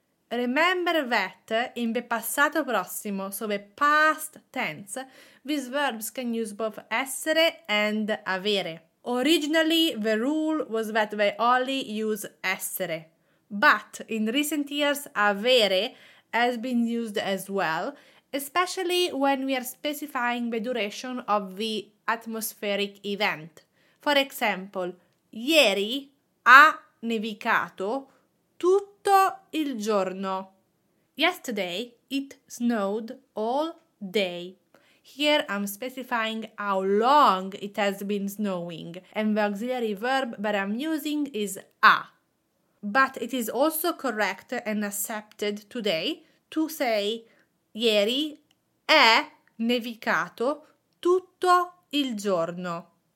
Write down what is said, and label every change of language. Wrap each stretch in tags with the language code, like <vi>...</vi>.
<en>Remember that in the passato prossimo, so the past tense, these verbs can use both essere and avere. Originally, the rule was that they only use essere, but in recent years, avere has been used as well, especially when we are specifying the duration of the atmospheric event. For example,</en> <it>ieri ha nevicato tutto il giorno.</it> <en>Yesterday it snowed all day. Here I'm specifying how long it has been snowing, and the auxiliary verb that I'm using is ha. But it is also correct and accepted today to say</en> <it>ieri è nevicato tutto il giorno.</it>